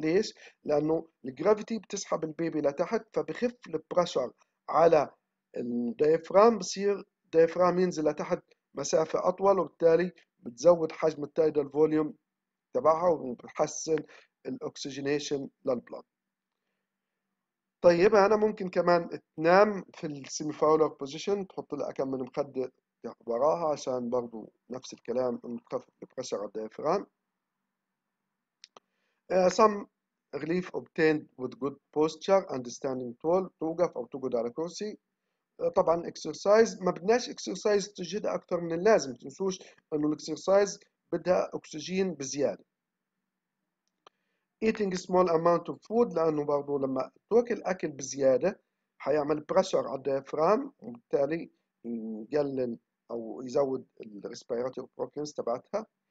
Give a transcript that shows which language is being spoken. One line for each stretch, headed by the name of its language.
Arabic: ليش؟ لانه الجرافيتي بتسحب البيبي لتحت فبخف البريشر على الديافرام، بصير الديافرام ينزل لتحت مسافه اطول وبالتالي بتزود حجم التايدال فوليوم تبعها وبتحسن الاكسجينيشن للبلد. طيب انا ممكن كمان تنام في السيمي فاولر بوزيشن، تحط لها كم من مخده وراها عشان برضو نفس الكلام تخفف البريشر على الديافرام.
English: Some relief obtained with good posture and standing tall،
Arabic: توقف او تقعد على كرسي. طبعا اكسرسايز ما بدناش اكسرسايز تجهد اكثر من اللازم، ما تنسوش انه الاكسرسايز بدها اكسجين بزياده.
English: Eating small amount of food
Arabic: لأنه برضو لما تأكل أكل بزيادة حيعمل بريشر على الديافرام وبالتالي يقلل أو يزود الريسبيراتوري بروبلمز تبعتها.